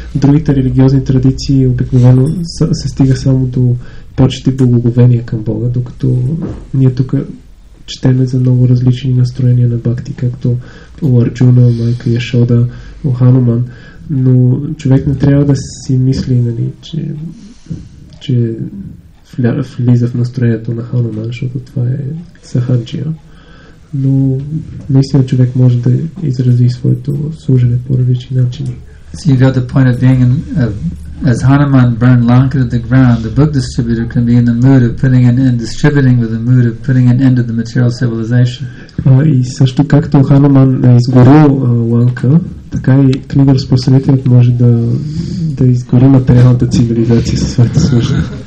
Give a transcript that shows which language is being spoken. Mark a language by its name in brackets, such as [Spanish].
[Bulgarian] Другите религиозни традиции обикновено се стига само до почти благоговения към Бога, докато ние тук четеме за много различни настроения на бхакти, както у Арджуна, майка Яшода, у Хануман, но човек не трябва да си мисли, нали, че влиза в настроението на Хануман, защото това е сахаджия. Но наистина човек може да изрази своето служене по различни начини. [English] So you got the point of being in, as Hanuman burned Lanka to the ground, the book distributor can be in the mood of putting an end, distributing with the mood of putting an end to the material civilization. [Bulgarian] И също както Хануман е изгорил Ланка, така и книга разпространителят може да изгори материалната цивилизация със своята служба.